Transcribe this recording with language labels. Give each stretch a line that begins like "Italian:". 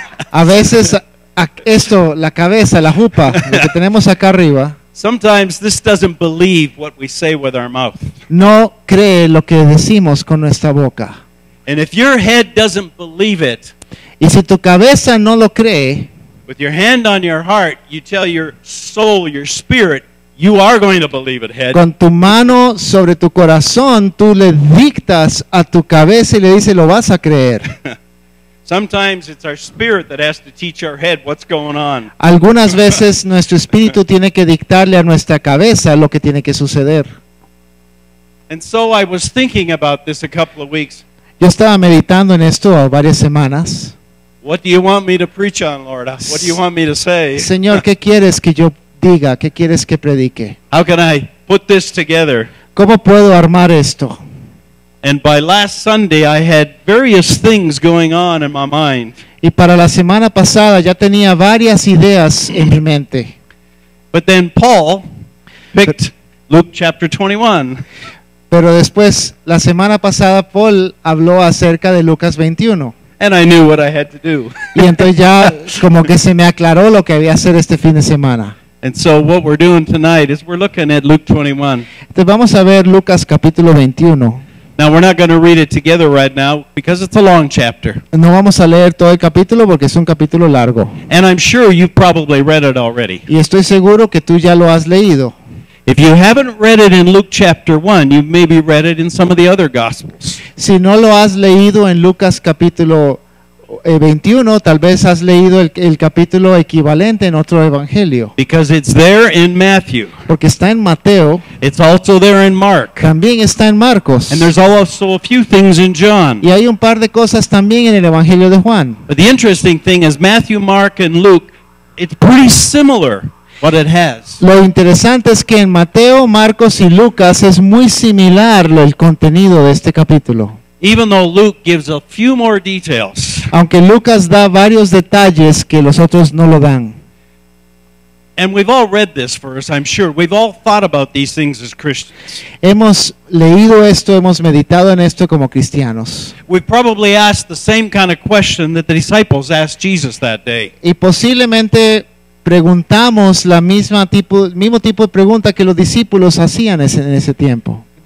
Spanish: A veces esto, la cabeza, la jupa, lo que tenemos acá arriba.
English: Sometimes this doesn't believe what we say with our mouth.
Spanish: No cree lo que decimos con nuestra boca.
English: And if your head doesn't believe it,
Spanish: y si tu cabeza no lo cree,
English: with your hand on your heart, you tell your soul, your spirit, you are going to believe it, head.
Spanish: Con tu mano sobre tu corazón, tú le dictas a tu cabeza y le dices, lo vas a creer.
English: Sometimes it's our spirit that has to teach our head what's going on.
Spanish: Algunas veces nuestro espíritu tiene que dictarle a nuestra cabeza lo que tiene que suceder.
English: And so I was thinking about this a couple of weeks.
Spanish: Yo estaba meditando en esto varias semanas.
English: What do you want me to preach on, Lord? What do you want me to say?
Spanish: Señor, ¿qué quieres que yo diga? ¿Qué quieres que predique?
English: How can I put this together?
Spanish: ¿Cómo puedo armar esto?
English: And by last Sunday I had various things going on in my mind.
Spanish: Y para la semana pasada ya tenía varias ideas en mi mente.
English: But then Paul picked Luke chapter 21.
Spanish: Pero después, la semana pasada, Paul habló acerca de Lucas 21.
English: And I knew what I had to do.
Spanish: Y entonces ya como que se me aclaró lo que había que hacer este fin de semana. Entonces vamos a ver Lucas capítulo 21.
English: Now we're not going to read it together right now because it's a long chapter.
Spanish: No vamos a leer todo el capítulo porque es un capítulo largo.
English: And I'm sure you've probably read it already.
Spanish: Y estoy seguro que tú ya lo has leído.
English: If you haven't read it in Luke chapter 1, you've maybe read it in some of the other gospels.
Spanish: Si no lo has leído en Lucas capítulo 21, tal vez has leído el capítulo equivalente en otro evangelio.
English: Because it's there in Matthew.
Spanish: Porque está en Mateo.
English: It's also there in Mark.
Spanish: También está en Marcos.
English: And there's also a few things in John.
Spanish: Y hay un par de cosas también en el evangelio de Juan.
English: But the interesting thing is Matthew, Mark and Luke, it's pretty similar. What it has.
Spanish: Lo interesante es que en Mateo, Marcos y Lucas es muy similar el contenido de este capítulo.
English: Even though Luke gives a few more details.
Spanish: Aunque Lucas da varios detalles que los otros no lo dan.
English: And we've all read this verse, I'm sure. We've all thought about these things as Christians.
Spanish: Hemos leído esto, hemos meditado en esto como cristianos.
English: We probably asked the same kind of question that the disciples asked Jesus that day.
Spanish: Y posiblemente preguntamos la misma tipo, mismo tipo de pregunta que los discípulos hacían en ese tiempo.